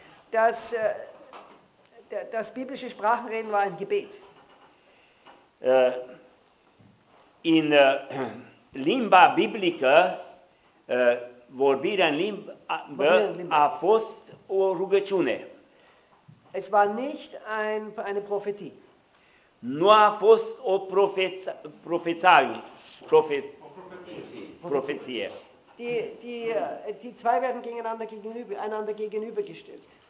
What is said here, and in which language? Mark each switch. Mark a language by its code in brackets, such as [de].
[de] Das biblische Sprachenreden war ein Gebet. [ro] In limba biblică, vorbirea în limbă a fost o rugăciune. [de] Es war nicht eine Prophetie. [ro] Nu a fost o profeție. [de] Die zwei werden einander gegenübergestellt.